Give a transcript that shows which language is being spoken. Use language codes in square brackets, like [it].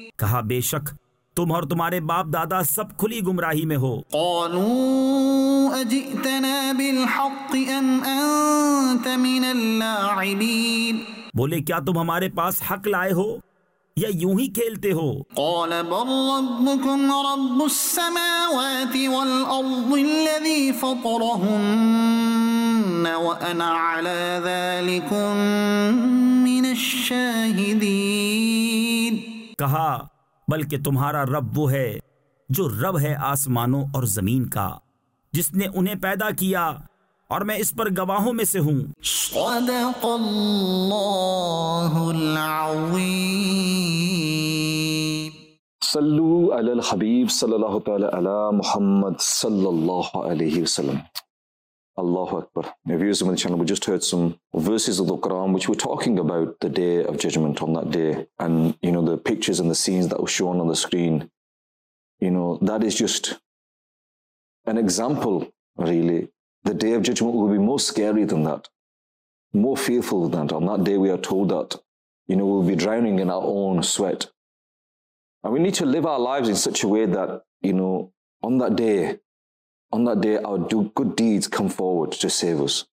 [ur] کہا بے شک تم اور تمہارے باپ دادا سب کھلی گمراہی میں ہو. [ar] قالوا اجئتنا بالحق ام انت من اللاعبين, [ur] بولے کیا تم ہمارے پاس حق لائے ہو یا یوں ہی کھیلتے ہو. [ar] قال بل ربكم رب السماوات والأرض الذي فطرهن وأنا على ذلك من الشاهدين, [ur] کہا بلکہ تمہارا رب وہ ہے جو رب ہے آسمانوں اور زمین کا جس نے انہیں پیدا کیا اور میں اس پر گواہوں میں سے ہوں. [ar] صدق اللہ العظیم. صلو علی الحبیب صلی اللہ تعالی علی محمد صلی اللہ علیہ وسلم. اللہ اکبر. [en] Now viewers on the channel, we just heard some verses of the Quran which were talking about the day of judgment on that day, and you know the pictures and the scenes that were shown on the screen, you know that is just an example. Really, the day of judgment will be more scary than that, more fearful than that. On that day we are told that, you know, we'll be drowning in our own sweat, and we need to live our lives in such a way that, you know, on that day our good deeds come forward to save us.